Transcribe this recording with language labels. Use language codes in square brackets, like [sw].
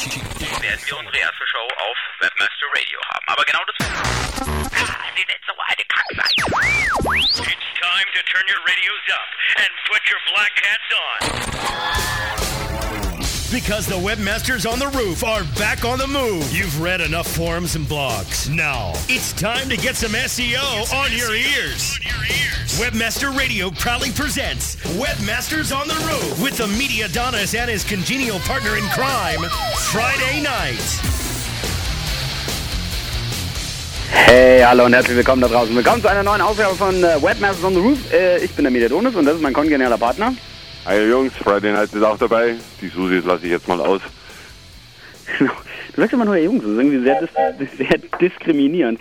[de] wir unsere erste Show auf Webmaster Radio haben. Aber genau das. [en] It's time to turn your radios up and put your black hats on. Because the webmasters on the roof are back on the move. You've read enough forums and blogs. Now, it's time to get some SEO on your ears. Webmaster Radio proudly presents Webmasters on the Roof with the media Adonis and his congenial partner in crime, Friday night. [de] Hey, hallo und herzlich willkommen da draußen. Willkommen zu einer neuen Ausgabe von Webmasters on the Roof. Ich bin der media Adonis und das ist mein kongenialer Partner. Hey Jungs, Friday Night ist auch dabei. Die Susi lasse ich jetzt mal aus. Du sagst immer nur, hey Jungs, das ist irgendwie sehr diskriminierend.